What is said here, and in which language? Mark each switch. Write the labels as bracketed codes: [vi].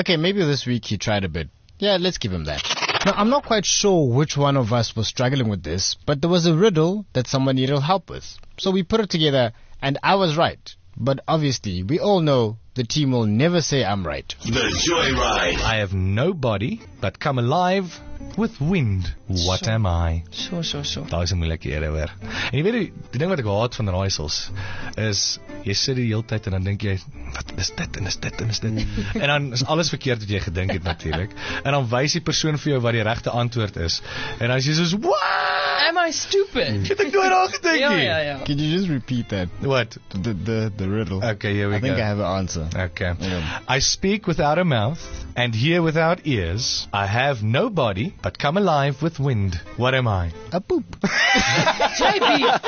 [en] Okay, maybe this week he tried a bit. Yeah, let's give him that. Now, I'm not quite sure which one of us was struggling with this, but there was a riddle that someone needed help with. So we put it together, and I was right. But obviously, we all know the team will never say I'm right. The Joyride. I have no body, but come alive with wind. What sure. am I? Sure. [af] Daar is 'n moeilike ere hoor. En jy weet, die ding wat ek haat van raaisels is, jy sit die hele tyd en dan dink jy, wat is dit en is dit en is dit? En dan is alles verkeerd wat jy gedink het natuurlik. En dan wys die persoon vir jou wat die regte antwoord is. En dan is jy soos, [en] what? Am I stupid? [af] Het ek nooit al gedink nie. Ja. [en] Can you just repeat that? What? The riddle. Okay, here we I go. I think I have an answer. Okay. Yeah. I speak without a mouth and hear without ears. I have no body but come alive with wind. What am I? A poop. JB!